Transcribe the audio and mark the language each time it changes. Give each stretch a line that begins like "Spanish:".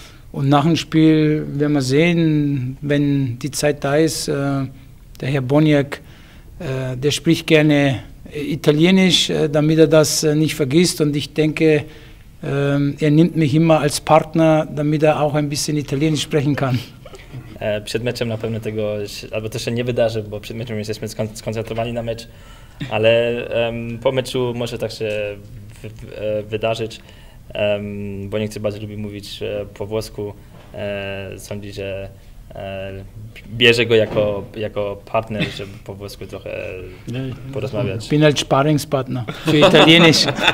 German: Und nach dem Spiel werden wir sehen, wenn die Zeit da ist, der Herr Boniek. Der spricht gerne Italienisch, damit er das nicht vergisst. Und ich denke, er nimmt mich immer als Partner, damit er auch ein bisschen Italienisch sprechen kann.
Polish: Przed meczem na pewno tego, albo to się nie wydarzy, bo przed meczem jesteśmy skoncentrowani na mecz, ale po meczu może tak się wydarzyć, bo niektórzy bardzo lubi mówić po włosku, sądzi, że bierze go jako partner, żeby po włosku trochę porozmawiać.
German: Bin halt Sparingspartner für Italienisch.